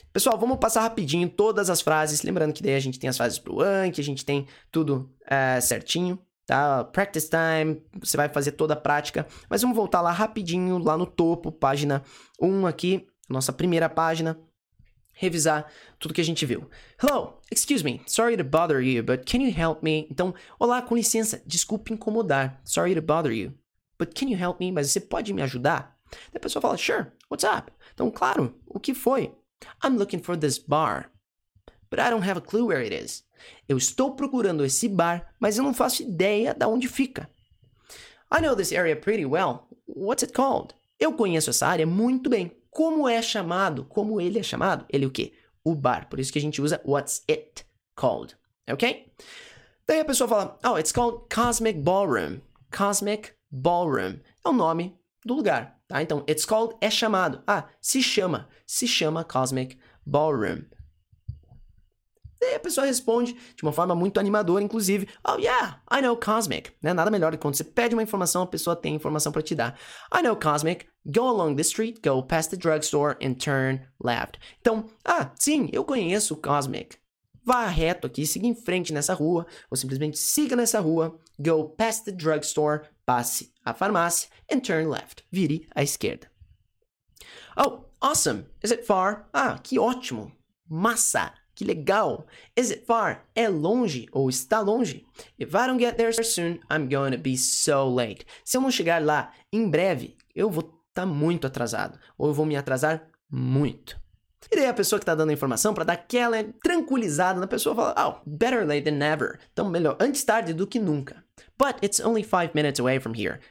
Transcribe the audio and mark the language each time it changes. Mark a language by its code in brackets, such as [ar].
[pt] Pessoal, vamos passar rapidinho todas as frases. Lembrando que daí a gente tem as frases pro Anki, a gente tem tudo certinho. Tá, [en] practice time, [pt] você vai fazer toda a prática. Mas vamos voltar lá rapidinho, lá no topo, página 1 aqui, nossa primeira página. revisar tudo que a gente viu. [en] Hello, excuse me, sorry to bother you, but can you help me? [pt] Então, olá, com licença, desculpe incomodar, [en] sorry to bother you, but can you help me? [pt] Mas você pode me ajudar? Daí a pessoa fala, [en] sure, what's up? [pt] Então, claro, o que foi? [en] I'm looking for this bar, but I don't have a clue where it is. [pt] Eu estou procurando esse bar, mas eu não faço ideia de onde fica. [en] I know this area pretty well. What's it called? [pt] Eu conheço essa área muito bem. Como é chamado? Como ele é chamado? Ele o quê? O bar. Por isso que a gente usa [en] what's it called. [pt] Ok? Daí a pessoa fala, [en] oh, it's called [pt] Cosmic Ballroom. Cosmic Ballroom. É o nome do lugar. Tá? Então, [en] it's called [pt] é chamado. Ah, se chama. Se chama Cosmic Ballroom. Daí a pessoa responde de uma forma muito animadora, inclusive, [en] oh yeah, I know Cosmic. [pt] Né? Nada melhor do que quando você pede uma informação, a pessoa tem a informação para te dar. [en] I know Cosmic, go along the street, go past the drugstore and turn left. [pt] Então, ah, sim, eu conheço Cosmic. Vá reto aqui, siga em frente nessa rua, ou simplesmente siga nessa rua, [en] go past the drugstore, [pt] passe a farmácia [en] and turn left, [pt] vire à esquerda. [en] Oh, awesome, is it far? [pt] Ah, que ótimo, massa. Que legal. [en] Is it far? [pt] É longe ou está longe? [en] If I don't get there soon, I'm going to be so late. [pt] Se eu não chegar lá em breve, eu vou estar muito atrasado. Ou eu vou me atrasar muito. E daí a pessoa que está dando a informação para dar aquela tranquilizada na pessoa fala, [en] oh, better late than never. [pt] Então, melhor, antes tarde do que nunca. [en] But it's only 5 minutes away from here.